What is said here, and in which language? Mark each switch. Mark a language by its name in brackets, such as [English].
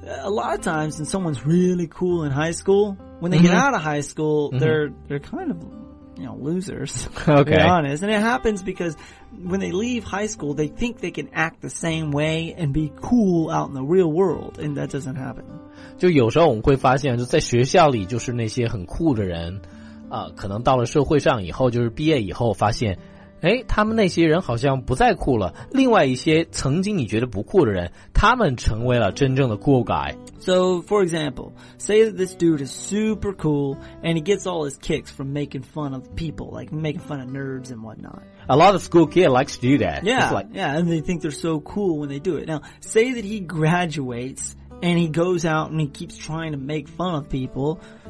[English] A lot of times when someone's really cool in high school, when they get out of high school, they're kind of... You know, losers. Okay. To be honest. And it happens because when they leave high school, they think they can act the same way and be cool out in the real world. And that doesn't happen. [Chinese] 就有时候我们会发现就在学校里就是那些很酷的人啊、可能到了社会上以后就是毕业以后发现诶他们那些人好像不再酷了。另外一些曾经你觉得不酷的人他们成为了真正的 [English] cool guy。 So, for example, say that this dude is super cool and he gets all his kicks from making fun of people, like making fun of nerds and whatnot. A lot of school kids like to do that. Yeah, like, yeah, and they think they're so cool when they do it. Now, say that he graduates and he goes out and he keeps trying to make fun of people.